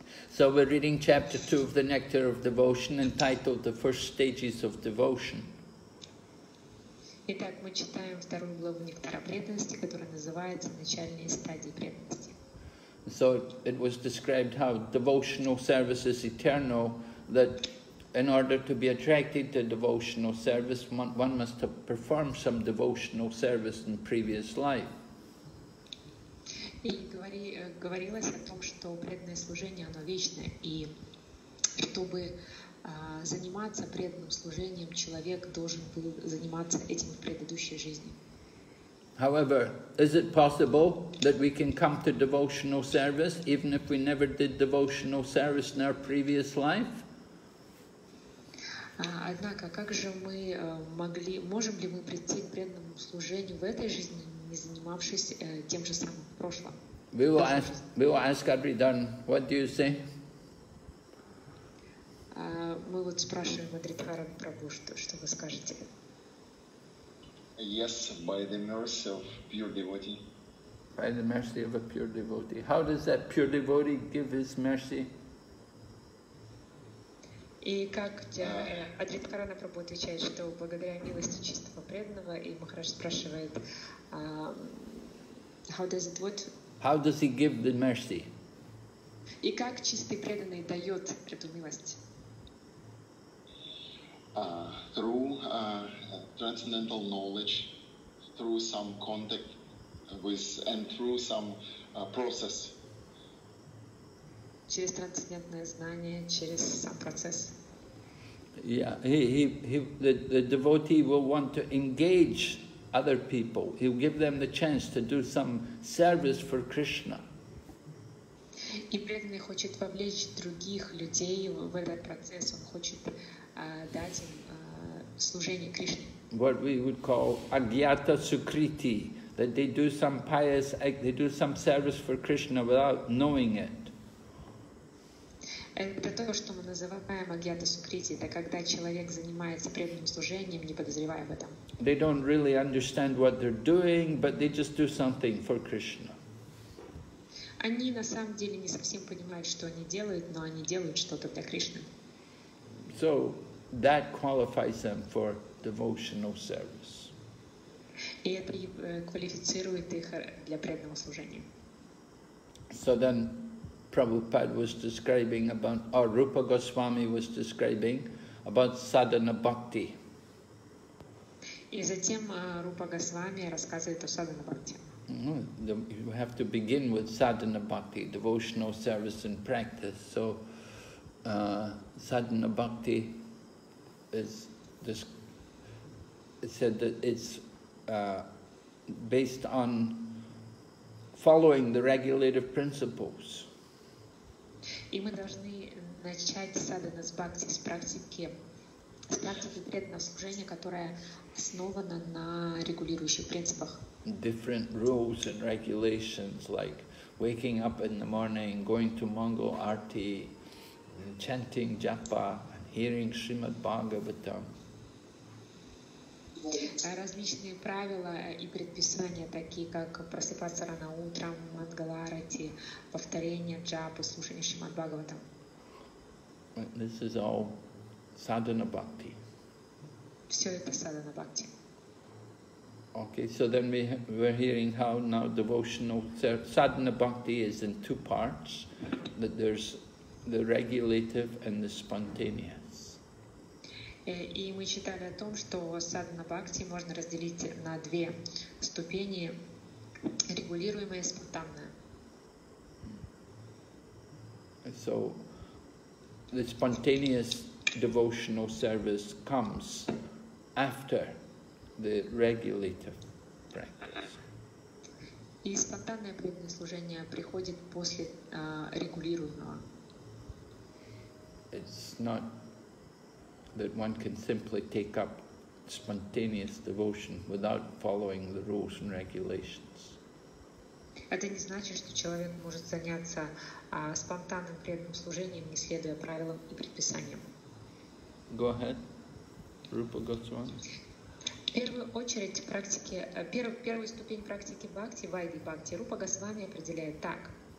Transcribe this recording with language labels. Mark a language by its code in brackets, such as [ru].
[en] So we're reading chapter 2 of the Nectar of Devotion entitled The First Stages of Devotion. [ru] Итак, мы читаем вторую главу Нектара преданности, которая называется «Начальные стадии преданности». [en] So it was described how devotional service is eternal, that in order to be attracted to devotional service, one must have performed some devotional service in previous life. [ru] И говорилось о том, что преданное служение, оно вечное, и чтобы заниматься преданным служением, человек должен был заниматься этим в предыдущей жизни. [en] However, is it possible that we can come to devotional service even if we never did devotional service in our previous life? [ru] Однако, как же мы могли, можем ли мы прийти к преданному служению в этой жизни, не занимавшись тем же самым в прошлом? [en] We will ask Adridan, what do you say? [ru] Мы вот спрашиваем Адридхаран Прабху, что вы скажете? [en] Yes, by the mercy of pure devotee. By the mercy of a pure devotee. How does that pure devotee give his mercy? [ru] И как Адридхарана Прабху отвечает, что благодаря милости чистого преданного, и Махарадж спрашивает, [en] how does it what? How does he give the mercy? [ru] И как чистый преданный дает эту милость? [en] Through transcendental knowledge, through some contact with, and through some process. [ru] Через трансцендентное знание, через сам процесс. [en] Yeah, the devotee will want to engage other people. He'll give them the chance to do some service for Krishna. [ru] И преданный хочет вовлечь других людей в этот процесс. Он хочет дать им служение Кришне. [en] What we would call agyata sukriti, that they do some pious, they do some service for Krishna without knowing it. [ru] Это то, что мы называем агьята сукрити. Это когда человек занимается преданным служением, не подозревая об этом. [en] They don't really understand what they're doing, but they just do something for Krishna. [ru] Они на самом деле не совсем понимают, что они делают, но они делают что-то для Кришны. [en] So that qualifies them for devotional service. [ru] И это квалифицирует их для преданного служения. [en] So then Prabhupada was describing about, or Rupa Goswami was describing about sadhana bhakti. [ru] И затем Рупа Госвами рассказывает о садхана бхакти. [en] You have to begin with sadhana bhakti, devotional service and practice. So sadhana bhakti is this, it said that it's based on following the regulative principles. [ru] И мы должны начать садхана бхакти с практики, преданного служения, которая основана на регулирующих принципах. [en] Different rules and regulations, like waking up in the morning, going to Mangal Arti, chanting Japa, hearing Srimad Bhagavatam. [ru] Различные правила и предписания, такие как просыпаться рано утром, Мангал Арти, повторение Джапы, слушание Шримад Бхагаватам. [en] This is all sadhana bhakti. [ru] Все это sadhana bhakti. [en] Okay, so then we're hearing how now devotional sadhana bhakti is in two parts, that there's the regulative and the spontaneous. [ru] И мы читали о том, что садхана бхакти можно разделить на две ступени, регулируемая и спонтанная. [en] So the spontaneous devotional service comes after the regulative practice. [ru] И спонтанное преданное служение приходит после регулируемого. [en] It's not that one can simply take up spontaneous devotion without following the rules and regulations. [ru] Это не значит, что человек может заняться спонтанным преданным служением, не следуя правилам и предписаниям. [en] Go ahead, Rupa Goswami. [ru] В первую очередь практики, первую ступень практики бхакти, вайди бхакти, Рупа Госвами определяет так.